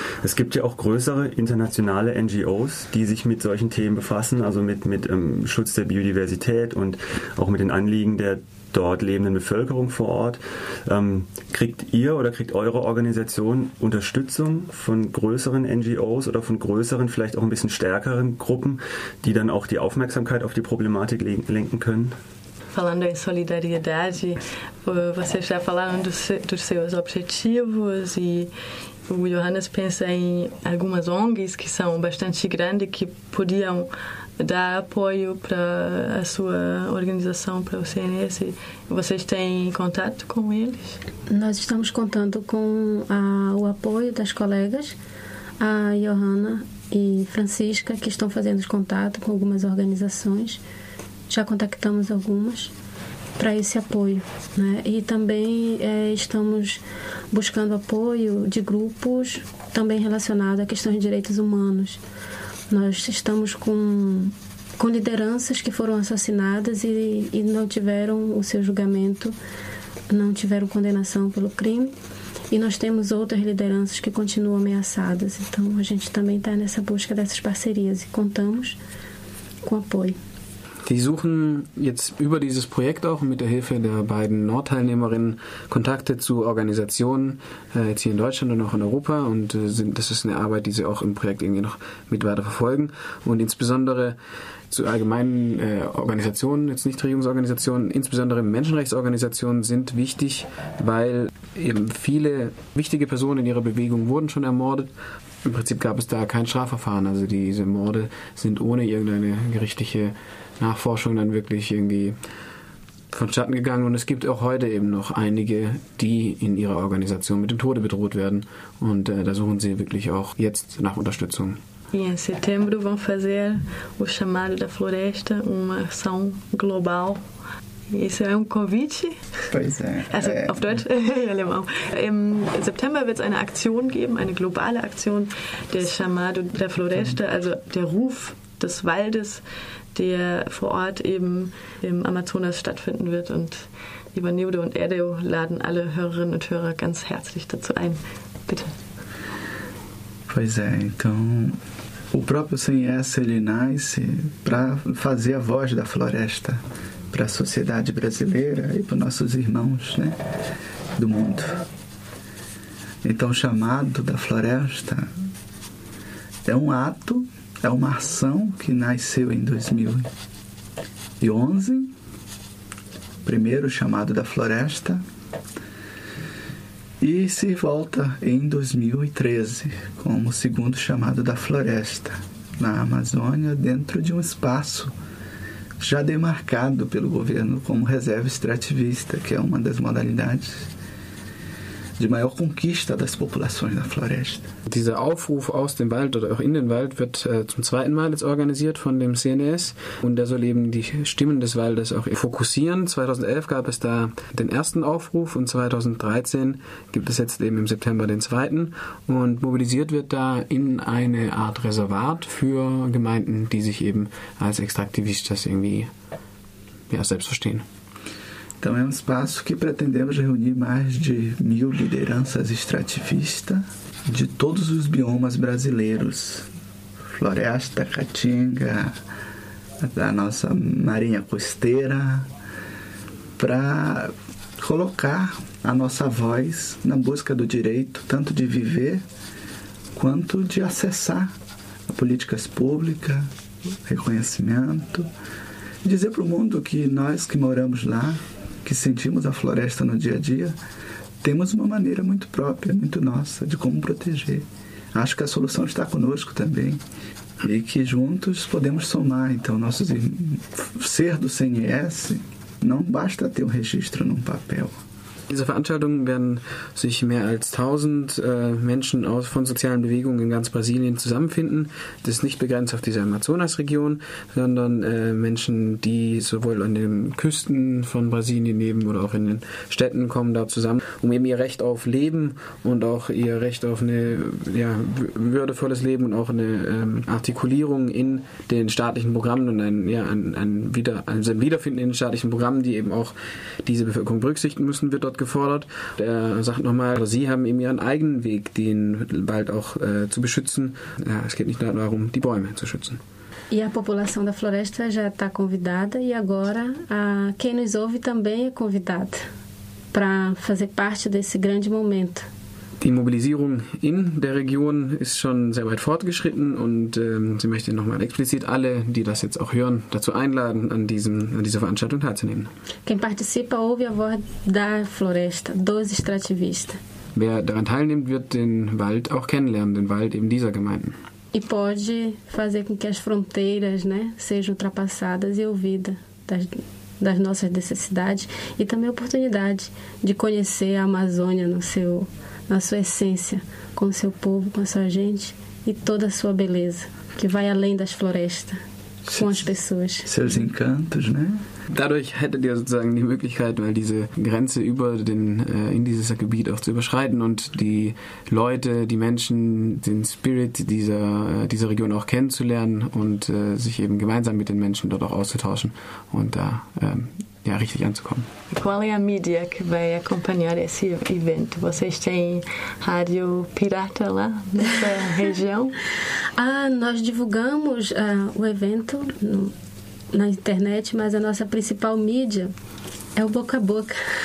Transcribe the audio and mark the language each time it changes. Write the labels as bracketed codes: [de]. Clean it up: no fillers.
[de] Es gibt ja auch größere internationale NGOs, die sich mit solchen Themen befassen, also mit Schutz der Biodiversität und auch mit den Anliegen der dort lebenden Bevölkerung vor Ort. Kriegt ihr oder kriegt eure Organisation Unterstützung von größeren NGOs oder von größeren, vielleicht auch ein bisschen stärkeren Gruppen, die dann auch die Aufmerksamkeit auf die Problematik lenken können? [pt] falando em solidariedade, vocês já falaram dos seus objetivos e o Johannes pensa em algumas ONGs que são bastante grandes que podiam dar apoio para a sua organização, para o CNS. Vocês têm contato com eles? Nós estamos contando com o apoio das colegas, a Johanna e Francisca, que estão fazendo contato com algumas organizações. Já contactamos algumas para esse apoio, né? E também estamos buscando apoio de grupos também relacionados à questão de direitos humanos. Nós estamos com lideranças que foram assassinadas e não tiveram o seu julgamento, não tiveram condenação pelo crime. E nós temos outras lideranças que continuam ameaçadas. Então, a gente também está nessa busca dessas parcerias e contamos com apoio. [de] Sie suchen jetzt über dieses Projekt auch mit der Hilfe der beiden Nordteilnehmerinnen Kontakte zu Organisationen jetzt hier in Deutschland und auch in Europa und sind, das ist eine Arbeit, die Sie auch im Projekt irgendwie noch mit weiter verfolgen und insbesondere zu allgemeinen Organisationen, jetzt Nichtregierungsorganisationen, insbesondere Menschenrechtsorganisationen sind wichtig, weil eben viele wichtige Personen in ihrer Bewegung wurden schon ermordet. Im Prinzip gab es da kein Strafverfahren, also diese Morde sind ohne irgendeine gerichtliche Nachforschung dann wirklich irgendwie vonstatten gegangen und es gibt auch heute eben noch einige, die in ihrer Organisation mit dem Tode bedroht werden und da suchen sie wirklich auch jetzt nach Unterstützung. [pt] E em setembro vão fazer o chamado da floresta, uma ação global. Isso é convite? Pois é. [de] Also, auf Deutsch, [pt] alemão. Em setembro [de] wird es eine Aktion geben, eine globale Aktion, der chamado da floresta, also der Ruf des Waldes, der vor Ort eben im Amazonas stattfinden wird. Und lieber Neudo und Erdeo laden alle Hörerinnen und Hörer ganz herzlich dazu ein. Bitte. [pt] Pois é, então o próprio CNS ele nasce para fazer a voz da floresta para a sociedade brasileira e para os nossos irmãos, né, do mundo. Então o chamado da floresta é um ato, é uma ação que nasceu em 2011, primeiro chamado da floresta, e se volta em 2013 como segundo chamado da floresta na Amazônia, dentro de um espaço já demarcado pelo governo como reserva extrativista, que é uma das modalidades de maior conquista das populações da floresta. [de] Dieser Aufruf aus dem Wald oder auch in den Wald wird zum zweiten Mal jetzt organisiert von dem CNS und der soll eben die Stimmen des Waldes auch fokussieren. 2011 gab es da den ersten Aufruf und 2013 gibt es jetzt eben im September den zweiten und mobilisiert wird da in eine Art Reservat für Gemeinden, die sich eben als Extraktivistas irgendwie ja, selbst verstehen. [pt] Então é um espaço que pretendemos reunir mais de 1000 lideranças extrativistas de todos os biomas brasileiros. Floresta, Caatinga, da nossa marinha costeira, para colocar a nossa voz na busca do direito, tanto de viver, quanto de acessar a políticas públicas, reconhecimento, dizer para o mundo que nós que moramos lá, que sentimos a floresta no dia a dia, temos uma maneira muito própria, muito nossa, de como proteger. Acho que a solução está conosco também e que juntos podemos somar. Então, nossos ser do CNS não basta ter um registro num papel. [de] Diese Veranstaltung werden sich mehr als 1000 Menschen aus, von sozialen Bewegungen in ganz Brasilien zusammenfinden. Das ist nicht begrenzt auf diese Amazonasregion, sondern Menschen, die sowohl an den Küsten von Brasilien leben oder auch in den Städten kommen da zusammen, um eben ihr Recht auf Leben und auch ihr Recht auf eine ja, würdevolles Leben und auch eine Artikulierung in den staatlichen Programmen und ein Wiederfinden in den staatlichen Programmen, die eben auch diese Bevölkerung berücksichtigen müssen, wird gefordert. Er sagt nochmal, sie haben eben ihren eigenen Weg, den Wald auch zu beschützen. Ja, es geht nicht nur darum, die Bäume zu schützen. [pt] E a população da floresta já está convidada e agora quem nos ouve também é convidado para fazer parte desse grande momento, [de] Die Mobilisierung in der Region ist schon sehr weit fortgeschritten und sie möchte nochmal explizit alle, die das jetzt auch hören, dazu einladen, an dieser Veranstaltung teilzunehmen. [pt] Quem participa ouve a voz da floresta, dos extrativistas. [de] Wer daran teilnimmt, wird den Wald auch kennenlernen, den Wald eben dieser Gemeinden. [pt] E pode fazer com que as fronteiras, né, sejam ultrapassadas e ouvidas das nossas necessidades e também a oportunidade de conhecer a Amazônia na sua essência, com o seu povo, com a sua gente e toda a sua beleza, que vai além das florestas, com as pessoas. Seus encantos, né? [de] Dadurch hättet ihr sozusagen die Möglichkeit, mal diese Grenze in dieses Gebiet auch zu überschreiten und die Leute, die Menschen, den Spirit dieser Region auch kennenzulernen und sich eben gemeinsam mit den Menschen dort auch auszutauschen und da ja, richtig anzukommen. [pt] Qual é a mídia que vai acompanhar esse evento? Vocês têm rádio pirata lá nessa região? Ah, nós divulgamos o evento na internet, mas a nossa principal mídia é o boca a boca.